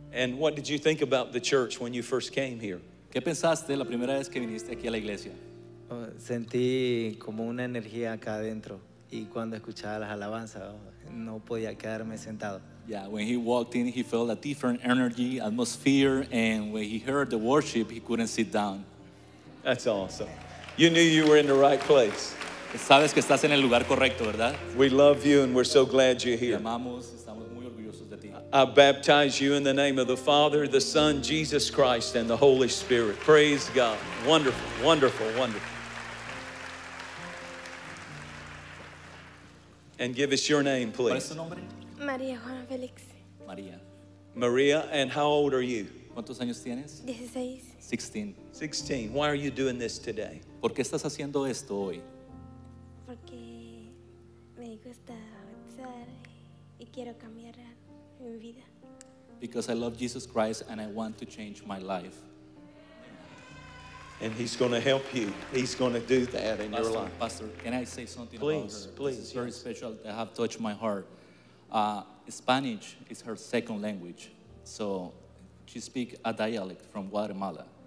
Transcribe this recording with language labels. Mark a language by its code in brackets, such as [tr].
[en] And what did you think about the church when you first came here? [es] ¿Qué pensaste la primera vez que viniste aquí a la iglesia? Sentí como una energía acá adentro. Y cuando escuchaba las alabanzas, no podía quedarme sentado. [en] Yeah, when he walked in, he felt a different energy, atmosphere, and when he heard the worship, he couldn't sit down. That's awesome. You knew you were in the right place. [es] Sabes que estás en el lugar correcto, ¿verdad? [en] We love you and we're so glad you're here. [es] Te amamos, estamos muy orgullosos de ti. [en] I baptize you in the name of the Father, the Son, Jesus Christ, and the Holy Spirit. Praise God. Wonderful, wonderful, wonderful. And give us your name, please. [es] ¿Cuál es tu nombre? María Juana Félix. María. [en] María, and how old are you? [es] ¿Cuántos años tienes? 16. 16. [en] 16. Why are you doing this today? [es] ¿Por qué estás haciendo esto hoy? Porque me gusta avanzar y quiero cambiar mi vida. [en] Because I love Jesus Christ and I want to change my life. And he's going to help you. He's going to do that in Pastor, your life. Pastor, can I say something please, about her? Please, this is very special. They have touched my heart. Spanish is her second language, so she speaks a dialect from Guatemala.